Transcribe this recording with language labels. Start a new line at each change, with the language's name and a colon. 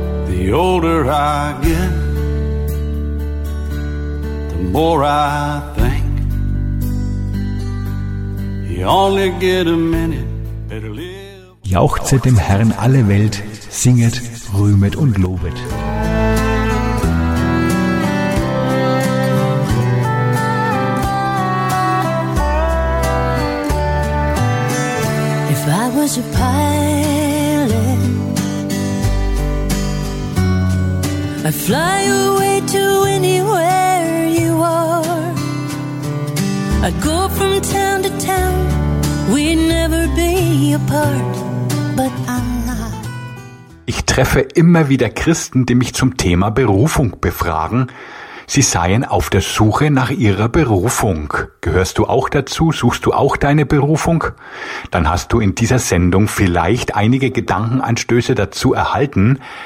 English: The older I get, the more I think. You only get a minute, better live.
German: Jauchzet dem Herrn alle Welt, singet, rühmet und lobet.
English: If I was a pilot, I fly away to anywhere you are. I'd go from town to town, we'd never be apart, but I'm not.
German: Ich treffe immer wieder Christen, die mich zum Thema Berufung befragen. Sie seien auf der Suche nach ihrer Berufung. Gehörst du auch dazu? Suchst du auch deine Berufung? Dann hast du in dieser Sendung vielleicht einige Gedankenanstöße dazu erhalten.